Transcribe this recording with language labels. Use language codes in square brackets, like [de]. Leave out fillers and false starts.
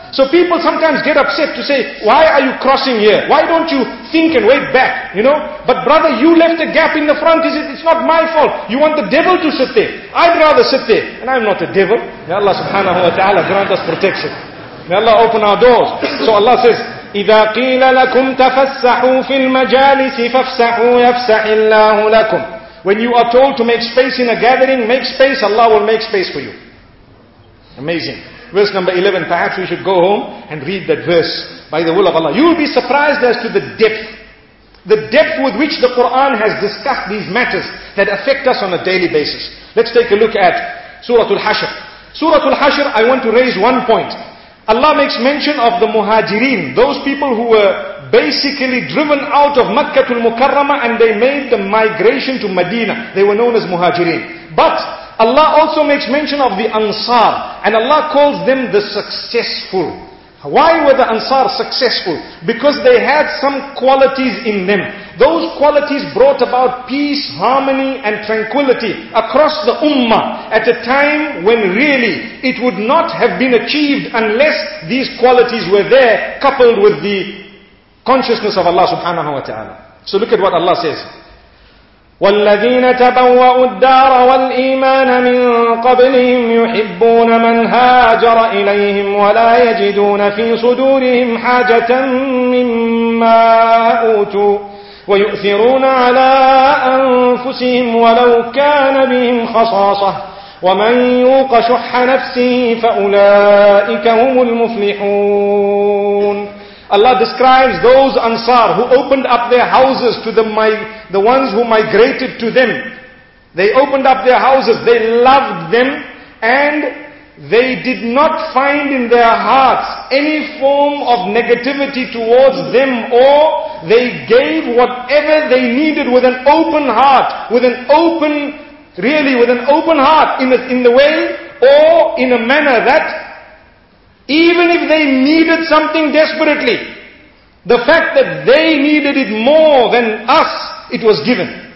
[en] So people sometimes get upset to say, why are you crossing here? Why don't you think and wait back, you know? But brother, you left a gap in the front, is it? It's not my fault. You want the devil to sit there. I'd rather sit there. And I'm not a devil. May Allah subhanahu wa ta'ala grant us protection. May Allah open our doors. [ar] So Allah says, إِذَا قِيلَ لَكُمْ تَفَسَّحُوا فِي الْمَجَالِسِ فَفْسَحُوا يَفْسَحِ اللَّهُ لَكُمْ. [en] When you are told to make space in a gathering, make space, Allah will make space for you. Amazing. Verse number 11, perhaps we should go home and read that verse by the will of Allah. You will be surprised as to the depth with which the Quran has discussed these matters that affect us on a daily basis. Let's take a look at Surah Al-Hashr. Surah Al-Hashr, I want to raise one point. Allah makes mention of the Muhajireen, those people who were basically driven out of Makkah Al-Mukarramah and they made the migration to Medina. They were known as Muhajireen. But Allah also makes mention of the Ansar, and Allah calls them the successful. Why were the Ansar successful? Because they had some qualities in them. Those qualities brought about peace, harmony and tranquility across the Ummah at a time when really it would not have been achieved unless these qualities were there, coupled with the consciousness of Allah subhanahu wa ta'ala. So look at what Allah says. [ar] والذين تبوأوا الدار والإيمان من قبلهم يحبون من هاجر إليهم ولا يجدون في صدورهم حاجة مما أوتوا ويؤثرون على أنفسهم ولو كان بهم خصاصة ومن يوق شح نفسه فأولئك هم المفلحون. [en] Allah describes those Ansar who opened up their houses to the ones who migrated to them. They opened up their houses, they loved them, and they did not find in their hearts any form of negativity towards them, or they gave whatever they needed with an open heart, with an open heart in the way, or in a manner that even if they needed something desperately, the fact that they needed it more than us, it was given.